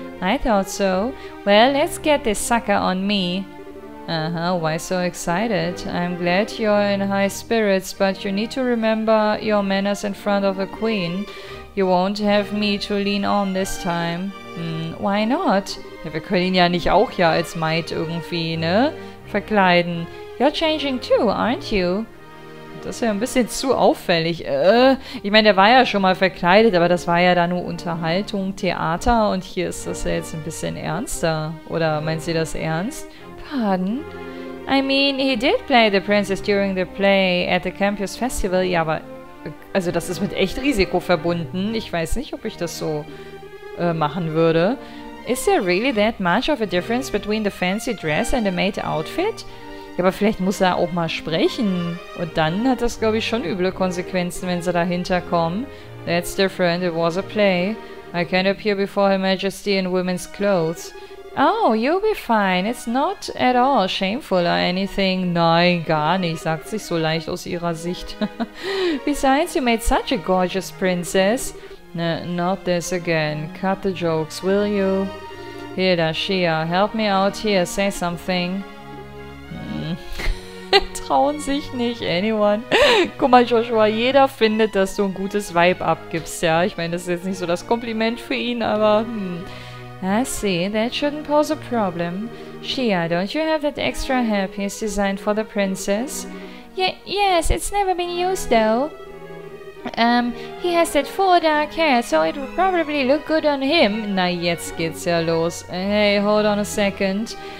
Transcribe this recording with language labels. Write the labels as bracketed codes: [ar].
[en] I thought so. Well, let's get this sucker on me. Why so excited? I'm glad you're in high spirits, but you need to remember your manners in front of the queen. You won't have me to lean on this time. Why not? [de] Ja, wir können ihn ja nicht auch ja als Maid irgendwie, ne? Verkleiden. [en] You're changing too, aren't you? [de] Das ist ja ein bisschen zu auffällig. Ich meine, der war ja schon mal verkleidet, aber das war ja da nur Unterhaltung, Theater und hier ist das ja jetzt ein bisschen ernster. Oder meint sie das ernst? [en] Pardon? I mean, he did play the princess during the play at the Campus Festival. [de] Ja, aber also das ist mit echt Risiko verbunden. Ich weiß nicht, ob ich das so machen würde. [en] Is there really that much of a difference between the fancy dress and the maid outfit? [de] Ja, aber vielleicht muss er auch mal sprechen. Und dann hat das, glaube ich, schon üble Konsequenzen, wenn sie dahinter kommen. [en] That's different. It was a play. I can't appear before Her Majesty in women's clothes. Oh, you'll be fine. It's not at all shameful or anything. [de] Nein, gar nicht, sagt sich so leicht aus ihrer Sicht. [en] Besides, you made such a gorgeous princess. Not this again. Cut the jokes, will you? Hilda, Shia, help me out here. Say something. [de] Trauen sich nicht, anyone. Guck mal, Joshua, jeder findet, dass du ein gutes Vibe abgibst, ja. Ich meine, das ist jetzt nicht so das Kompliment für ihn, aber... [en] I see, that shouldn't pose a problem. Shia, don't you have that extra hairpiece designed for the princess? Yes, it's never been used, though. He has that full dark hair, so it would probably look good on him. [de] Na, jetzt geht's ja los. [en] Hey, hold on a second.